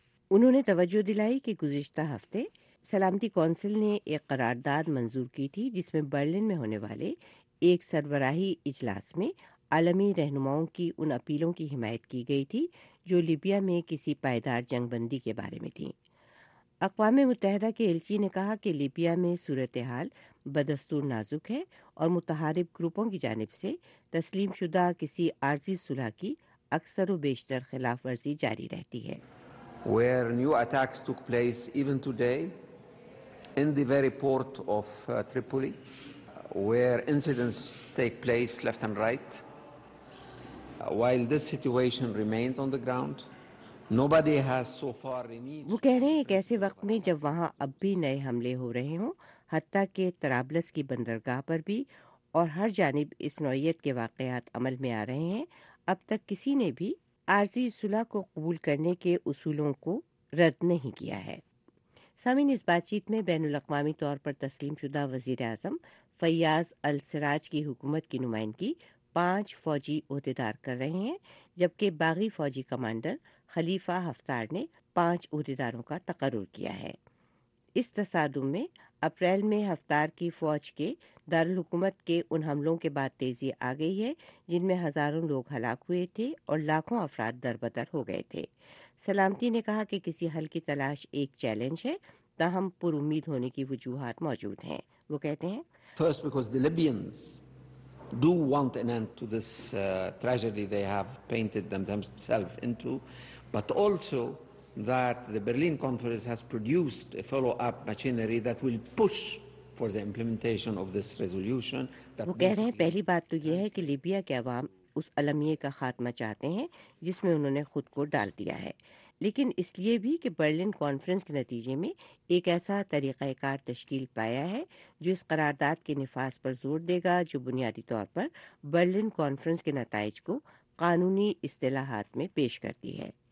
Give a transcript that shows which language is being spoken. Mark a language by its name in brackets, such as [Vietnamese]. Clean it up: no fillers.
[Urdu] انہوں نے توجہ دلائی کہ گزشتہ ہفتے سلامتی کونسل نے ایک قرارداد منظور کی تھی جس میں برلن میں ہونے والے ایک سربراہی اجلاس میں عالمی رہنماؤں کی ان اپیلوں کی حمایت کی گئی تھی جو لیبیا میں کسی پائیدار جنگ بندی کے بارے میں تھیں. اقوام متحدہ کے ایلچی نے کہا کہ لیبیا میں صورتحال بدستور نازک ہے, اور متحارب گروپوں کی جانب سے تسلیم شدہ کسی عارضی صلح کی اکثر و بیشتر خلاف ورزی جاری رہتی ہے. [English] where new attacks took place even today in the very port of Tripoli, where incidents take place left and right. While this situation remains on the ground, nobody has so far removed. [Urdu] وہ کہہ رہے ہیں ایک ایسے وقت میں جب وہاں اب بھی نئے حملے ہو رہے ہوں, حتیٰ کہ طرابلس کی بندرگاہ پر بھی, اور ہر جانب اس نوعیت کے واقعات عمل میں آ رہے ہیں, اب تک کسی نے بھی عارضی صلح کو قبول کرنے کے اصولوں کو رد نہیں کیا ہے. سامعین, اس بات چیت میں بین الاقوامی طور پر تسلیم شدہ وزیر اعظم فیاض السراج کی حکومت کی نمائندگی 5 فوجی عہدیدار کر رہے ہیں, جبکہ باغی فوجی کمانڈر خلیفہ حفتار نے 5 عہدیداروں کا تقرر کیا ہے. اس تصادم میں اپریل میں حفتار کی فوج کے دارالحکومت کے ان حملوں کے بعد تیزی آ گئی ہے جن میں ہزاروں لوگ ہلاک ہوئے تھے اور لاکھوں افراد در بدر ہو گئے تھے. سلامتی نے کہا کہ کسی حل کی تلاش ایک چیلنج ہے, تاہم پر امید ہونے کی وجوہات موجود ہیں. وہ کہتے ہیں, [English] First, because the Libyans do want an end to this tragedy they have painted themselves into, but also that the Berlin Conference has produced a follow-up machinery that will push for the implementation of this resolution. [Urdu] وہ کہہ رہے ہیں, پہلی بات تو یہ ہے کہ لیبیا کے عوام اس المیہ کا خاتمہ چاہتے ہیں جس میں انہوں نے خود کو ڈال دیا ہے, لیکن اس لیے بھی کہ برلن کانفرنس کے نتیجے میں ایک ایسا طریقہ کار تشکیل پایا ہے جو اس قرارداد کے نفاذ پر زور دے گا, جو بنیادی طور پر برلن کانفرنس کے نتائج کو قانونی اصطلاحات میں پیش کرتی ہے.